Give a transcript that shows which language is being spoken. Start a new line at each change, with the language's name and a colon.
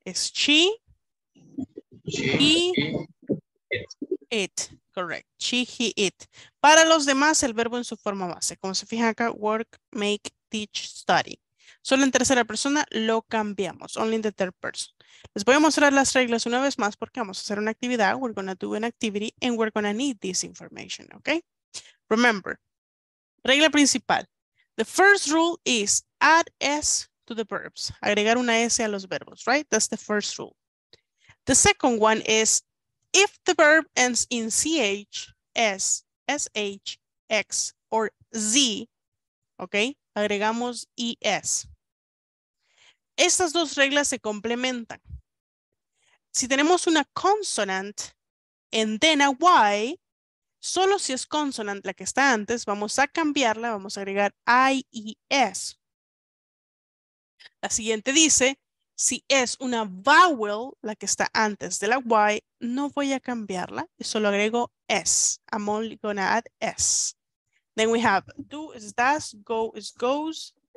English: Es she, he, it. Correct. She, he, it.
Spanish: Para los demás, el verbo en su forma base. Como se fijan acá, work, make, teach, study. Solo en tercera persona lo cambiamos.
English: Only in the third person.
Spanish: Les voy a mostrar las reglas una vez más porque vamos a hacer una actividad.
English: We're going to do an activity and we're going to need this information. Okay? Remember,
Spanish: regla principal.
English: The first rule is add S to the verbs.
Spanish: Agregar una S a los verbos,
English: right? That's the first rule. The second one is if the verb ends in CH, S, SH, X, or Z, okay,
Spanish: agregamos ES. Estas dos reglas se complementan. Si tenemos una
English: consonant and then a Y,
Spanish: solo si es consonant la que está antes, vamos a cambiarla, vamos a agregar IES. La siguiente dice, si es una vowel, la que está antes de la Y, no voy a cambiarla. Solo agrego S.
English: I'm only gonna add S. Then we have do is does, go is goes.